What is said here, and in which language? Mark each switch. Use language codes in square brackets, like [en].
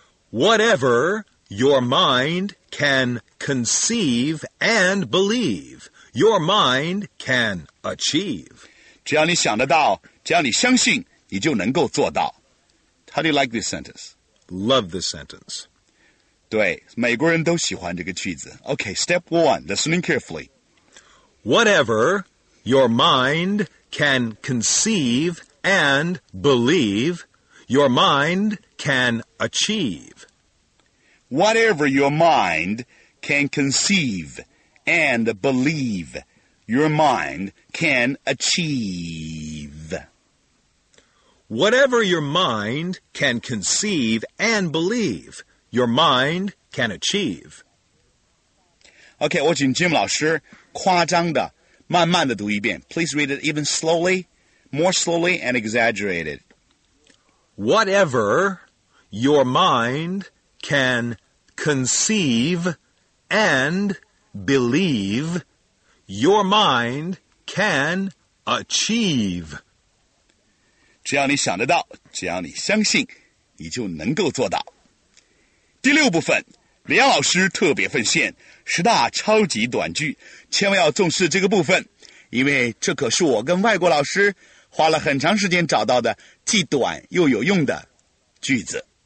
[en] Whatever your mind can conceive and believe, your mind can achieve. [zh] 只要你想得到，只要你相信，你就能够做到。 [en] How do you like this sentence? Love this sentence. [zh] 对，美国人都喜欢这个句子。 [en] Okay, step one, listening carefully. Whatever your mind can conceive and believe, your mind can achieve. Whatever your mind can conceive and believe, your mind can achieve. Whatever your mind can conceive and believe, your mind can achieve. [zh] Okay, 我请 Jim 老师夸张的慢慢的读一遍。 [en] Please read it even slowly, more slowly and exaggerated. Whatever your mind can conceive and believe, your mind can achieve. [zh] 只要你想得到，只要你相信，你就能够做到。第六部分，李阳老师特别奉献十大超级短句，千万要重视这个部分，因为这可是我跟外国老师花了很长时间找到的既短又有用的句子。